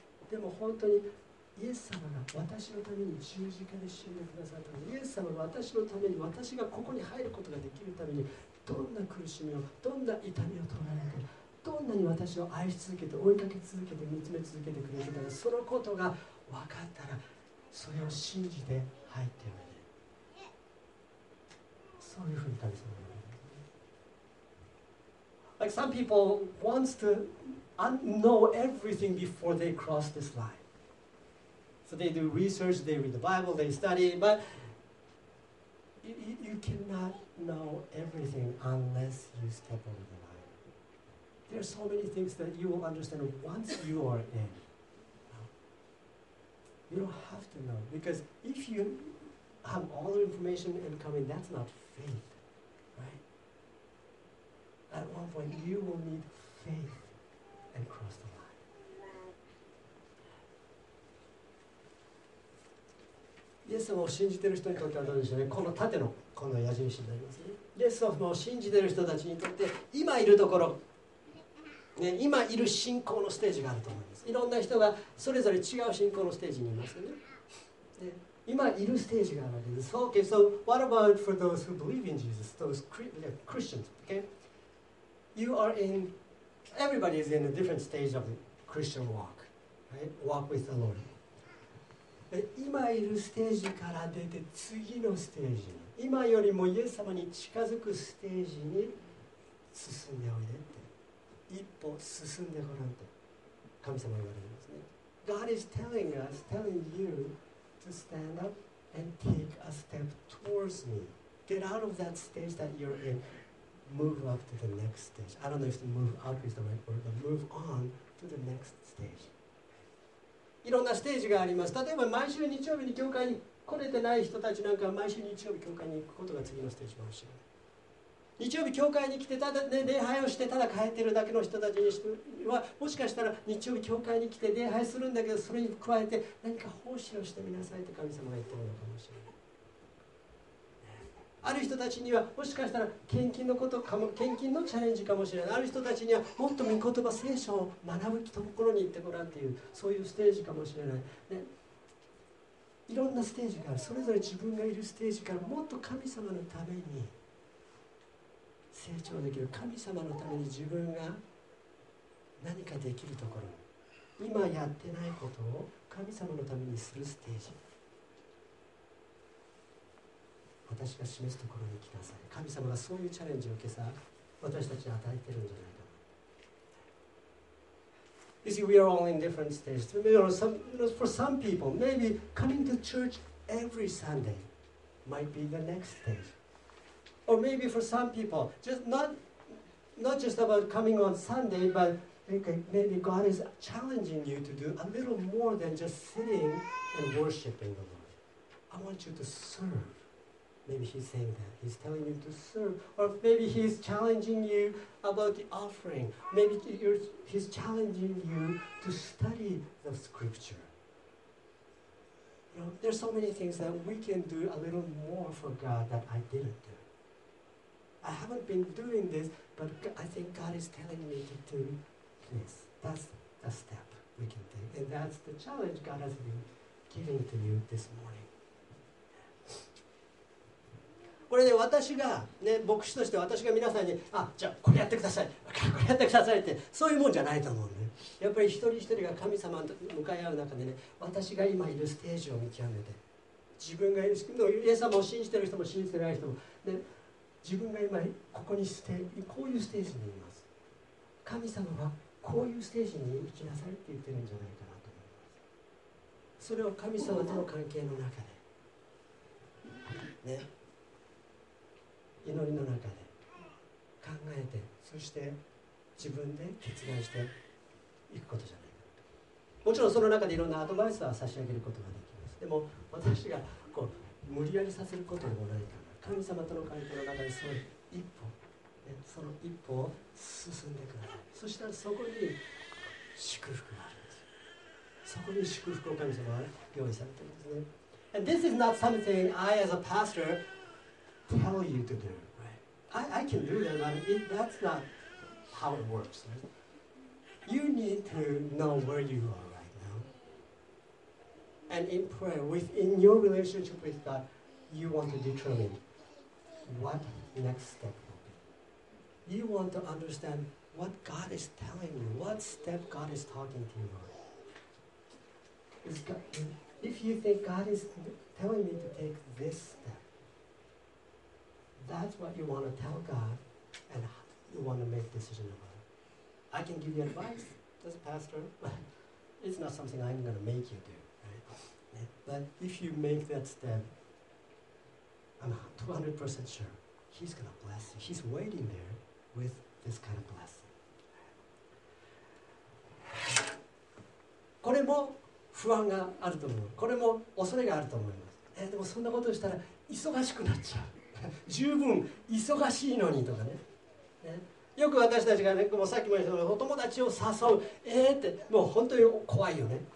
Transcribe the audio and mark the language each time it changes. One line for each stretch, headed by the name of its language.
Japanese: でも本当にイエス様が私のために十字架で死んでくださったので、イエス様が私のために、私がここに入ることができるために、どんな苦しみを、どんな痛みを取られて、どんなに私を愛し続けて、追いかけ続けて、見つめ続けてくれるか、そのことが分かったら、それを信じて入っておいで。そういうふうに神様、
English: Like some people wants to know everything before they cross this line. So they do research, they read the Bible, they study, but you cannot know everything unless you step over the line. There are so many things that you will understand once you are in. You don't have to know, because if you have all the information and coming, that's not faith. At one point, you will need faith and cross the line.
Japanese: イエス様を信じている人にとってはどうでしょうね。この縦のこの矢印になりますね。イエス様を信じている人たちにとって今いるところ、ね、今いる信仰のステージがあると思います。いろんな人がそれぞれ違う信仰のステージにいますよね。で、今いるステージがあるわけです。
English: Okay, so what about for those who believe in Jesus? Those Christians, okay? You are in, everybody is in a different stage of the Christian walk, right? Walk with the Lord.
Japanese: 今いるステージから出て次のステージに、今よりもイエス様に近づくステージに進んでおいでって、一歩進んでごらんと神様言われてますね。
English: God is telling us, telling you to stand up and take a step towards me. Get out of that stage that you're in. Move up to the next stage. I don't know if the move up is the right word, but move on to the next stage.
Japanese: いろんなステージがあります。例えば毎週日曜日に教会に来れてない人たちなんかは毎週日曜日教会に行くことが次のステージかもしれない。日曜日教会に来てただ、ね、礼拝をしてただ帰ってるだけの人たちにしてはもしかしたら日曜日教会に来て礼拝するんだけど、それに加えて何か奉仕をしてみなさいって神様が言ってるのかもしれない。ある人たちにはもしかしたら献金のことかも、献金のチャレンジかもしれない。ある人たちにはもっと御言葉、聖書を学ぶところに行ってごらんっていう、そういうステージかもしれない、ね、いろんなステージがある。それぞれ自分がいるステージからもっと神様のために成長できる、神様のために自分が何かできるところ、今やってないことを神様のためにするステージ、私が示すところに来なさい。神様がそういうチャレンジを今朝私たちに与えているんじゃないかな。
English: You see, we are all in different stages. You know, for some people, maybe coming to church every Sunday might be the next stage. Or maybe for some people, just not not just about coming on Sunday, but maybe God is challenging you to do a little more than just sitting and worshiping the Lord. I want you to serve. Maybe he's saying that. He's telling you to serve. Or maybe he's challenging you about the offering. Maybe he's challenging you to study the scripture. You know, there's so many things that we can do a little more for God that I didn't do. I haven't been doing this, but I think God is telling me to do this. That's the step we can take. And that's the challenge God has been giving to you this morning.
Japanese: これで私が、ね、牧師として私が皆さんに、あ、じゃあこれやってください、これやってくださいって、そういうもんじゃないと思うね。やっぱり一人一人が神様と向かい合う中でね、私が今いるステージを見極めて、自分がいる、イエス様を信じてる人も信じてない人も、で自分が今ここにして、こういうステージにいます。神様はこういうステージに行きなさいって言ってるんじゃないかなと思います。それを神様との関係の中で、ね、祈りの中で考えて、そして自分で決断していくことじゃないかと。もちろんその中でいろんなアドバイスは差し上げることができます。でも私がこう無理やりさせることでもないから、神様との関係の中でその一歩、ね、その一歩を進んでください。そしたらそこに祝福があるんですよ。そこに祝福を神様は用意されているんですね。
English: And this is not something I as a pastor Tell you to do, right? I can do that, but that's not how it works, right? You need to know where you are right now. And in prayer, within your relationship with God, you want to determine what next step will be. You want to understand what God is telling you, what step God is talking to you on. If you think God is telling me to take this step,That's what you want to tell God and you want to make a decision about. I can give you advice as a pastor, but it's not something I'm going to make you do. Right? But if you make that step, I'm 200% sure he's going to bless you. He's waiting there with this kind of blessing.
Japanese: これも不安があると思う。これも恐れがあると思います。でもそんなことをしたら忙しくなっちゃう。十分忙しいのにとか ねよく私たちがねもうさっきも言ったようにお友達を誘うってもう本当に怖いよね。